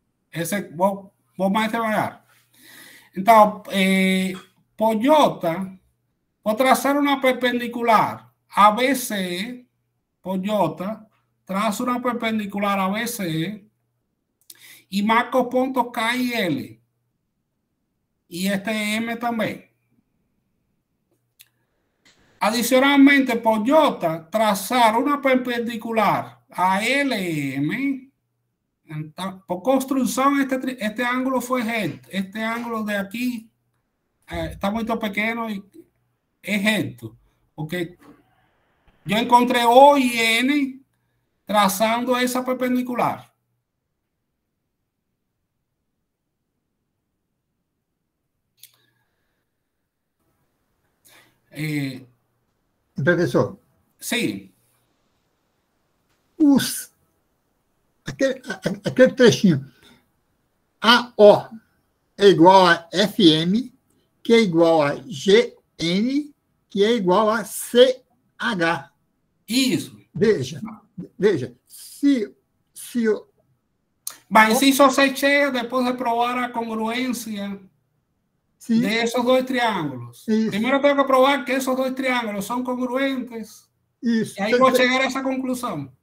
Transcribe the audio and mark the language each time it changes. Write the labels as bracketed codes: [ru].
[pt] Esse vou mais trabalhar. Então, por J, vou traçar uma perpendicular ABC, por J, traço uma perpendicular ABC e marco pontos K e L. E este M também. [es] Adicionalmente, por J, trazar una perpendicular a LM, por construcción, este ángulo fue head. Este ángulo de aquí está muy pequeño y es recto. Porque yo encontré O y N trazando esa perpendicular. [pt] Professor, sim. Aquele trechinho AO é igual a FM, que é igual a GN, que é igual a CH. Isso. Veja, se eu... Mas se isso se chega depois de provar a congruência... [es] Sim. De esos dos triángulos. Isso. Primero tengo que probar que esos dos triángulos son congruentes. [pt] Isso. [es] Y ahí voy a llegar a esa conclusión.